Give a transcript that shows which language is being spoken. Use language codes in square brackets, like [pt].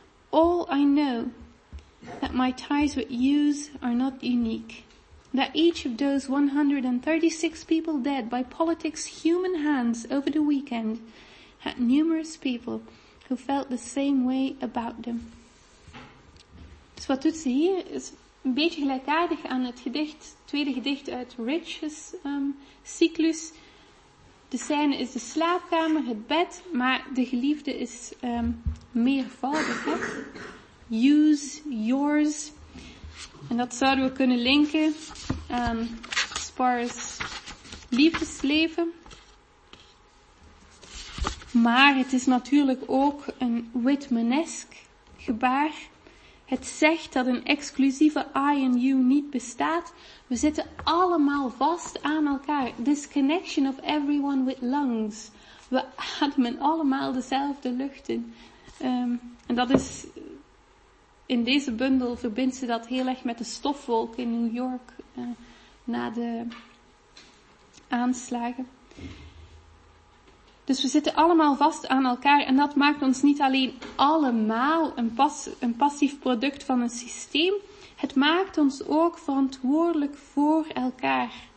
[en] All I know that my ties with yous are not unique. That each of those 136 people dead by politics' human hands over the weekend had numerous people who felt the same way about them. [nl] Dus wat doet ze hier is een beetje gelijkaardig aan het gedicht, tweede gedicht uit Rich's cyclus. De scène is de slaapkamer, het bed, maar de geliefde is meervoudig, hè? [en] Use yours. [nl] En dat zouden we kunnen linken aan Spar's liefdesleven. Maar het is natuurlijk ook een Whitman-esk gebaar. Het zegt dat een exclusieve [en] I and you [nl] niet bestaat. We zitten allemaal vast aan elkaar. [en] This connection of everyone with lungs. [nl] We ademen allemaal dezelfde lucht in. En dat is... In deze bundel verbindt ze dat heel erg met de stofwolk in New York, na de aanslagen. Dus we zitten allemaal vast aan elkaar en dat maakt ons niet alleen allemaal een passief product van een systeem, het maakt ons ook verantwoordelijk voor elkaar.